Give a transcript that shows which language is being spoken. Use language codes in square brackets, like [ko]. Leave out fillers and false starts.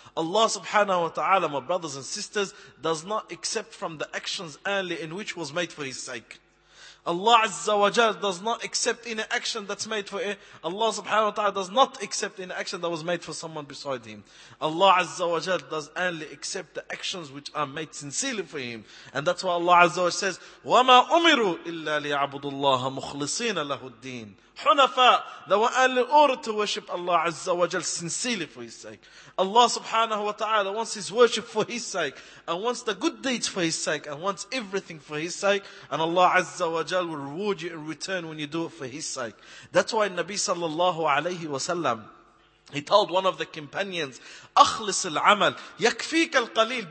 [en] Allah subhanahu wa ta'ala, my brothers and sisters, does not accept from the actions only in which was made for his sake. Allah azza wa jal does not accept any action that's made for it. Allah subhanahu wa ta'ala does not accept any action that was made for someone beside him. Allah azza wa jal does only accept the actions which are made sincerely for him. [ar] And that's why Allah azza wa jal says, وَمَا أُمِرُوا إِلَّا لِيَعْبُدُ اللَّهَ مُخْلِصِينَ لَهُ الدِّينَ حُنَفَا. [en] They were only ordered to worship Allah azza wa jal sincerely for his sake. Allah subhanahu wa ta'ala wants his worship for his sake, and wants the good deeds for his sake, and wants everything for his sake, and Allah azza wa jal will reward you in return when you do it for his sake. That's why Nabi sallallahu alayhi wa sallam, he told one of the companions, أخلص العمل يكفيك القليل.